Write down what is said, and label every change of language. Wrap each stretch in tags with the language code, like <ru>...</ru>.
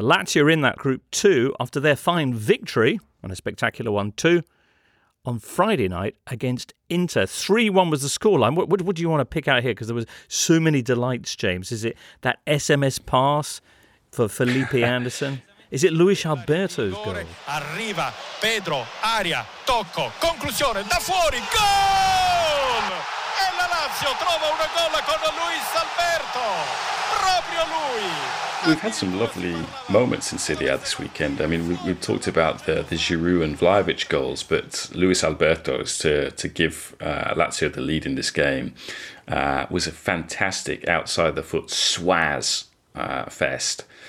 <en>Lazio are in that group too after their fine victory, and a spectacular one too, on Friday night against Inter. 3-1 was the scoreline. What do you want to pick out here? Because there was so many delights, James. Is it that SMS pass for Felipe Anderson? Is it Luis Alberto's goal?</en> <it>Arriva Pedro Aria, tocco, conclusione, da fuori, gol! E la Lazio trova una gol con Luis Alberto, proprio lui!</it> <en>We've had some lovely moments in Serie A this weekend. I mean, we've talked about the Giroud and Vlahovic goals, but Luis Alberto's to give Lazio the lead in this game was a fantastic outside-the-foot swaz fest.</en>